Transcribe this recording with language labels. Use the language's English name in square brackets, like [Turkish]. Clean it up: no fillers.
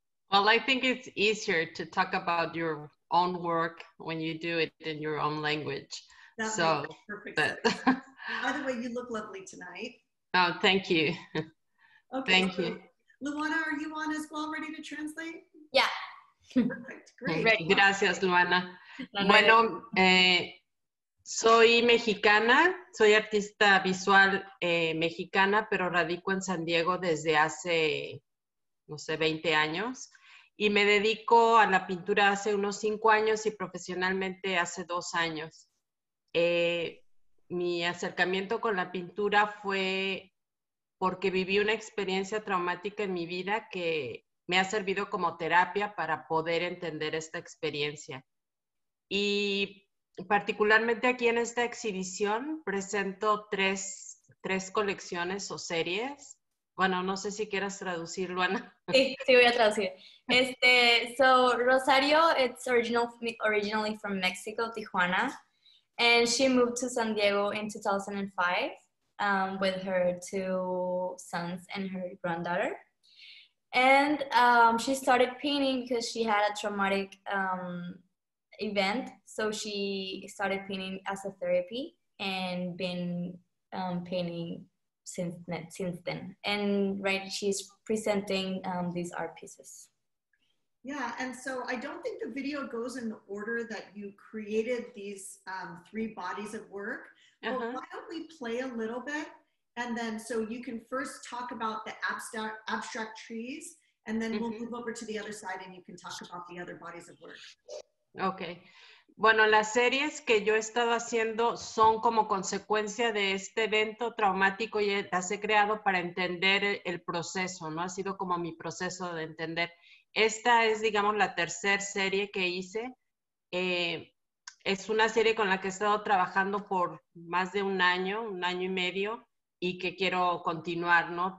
[English] Well, I think it's easier to talk about your own work when you do it in your own language. That so, perfect. By the way, you look lovely tonight. Oh, thank you. Okay. Thank you. Luana, are you on as well, ready to translate? Yeah. Perfect. Great. [Spanish] Gracias, Luana. Bueno, soy mexicana, soy artista visual mexicana, pero radico en San Diego desde hace, no sé, 20 años. Y me dedico a la pintura hace unos 5 años y profesionalmente hace 2 años. Mi acercamiento con la pintura fue porque viví una experiencia traumática en mi vida que me ha servido como terapia para poder entender esta experiencia. Y particularmente aquí en esta exhibición presento tres colecciones o series. Bueno, no sé si quieras traducirlo, Ana. Sí, voy a traducir. [English] So Rosario, it's originally from Mexico, Tijuana, and she moved to San Diego in 2005 with her 2 sons and her granddaughter. And she started painting because she had a traumatic event. So she started painting as a therapy and been painting since then. And right, she's presenting these art pieces. Yeah, and so I don't think the video goes in the order that you created these 3 bodies of work. Uh-huh. But why don't we play a little bit? And then, so you can first talk about the abstract trees, and then mm-hmm. we'll move over to the other side and you can talk about the other bodies of work. Okay. [Spanish] Bueno, las series que yo he estado haciendo son como consecuencia de este evento traumático y las he creado para entender el proceso, ¿no? Ha sido como mi proceso de entender. Esta es, digamos, la tercera serie que hice. Es una serie con la que he estado trabajando por más de un año y medio, y que quiero continuar, ¿no?